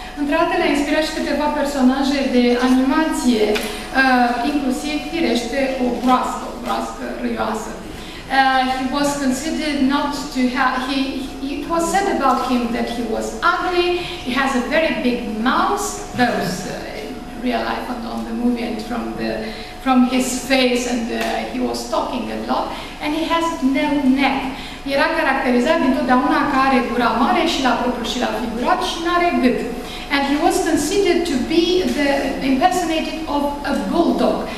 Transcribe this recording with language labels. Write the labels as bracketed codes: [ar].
[ro] Între altele, a inspirat și câteva personaje de animație, inclusiv, firește, o broască, o broască râioasă. [en] He was considered not to have... It was said about him that he was ugly, he has a very big mouth, both in real life and on the movie and from his face, and he was talking a lot, and he has no neck. [ro] Era caracterizat dintotdeauna că are gura mare și la propriu și la figurat și n-are gât. [en] And he was considered to be the impersonated of a bulldog.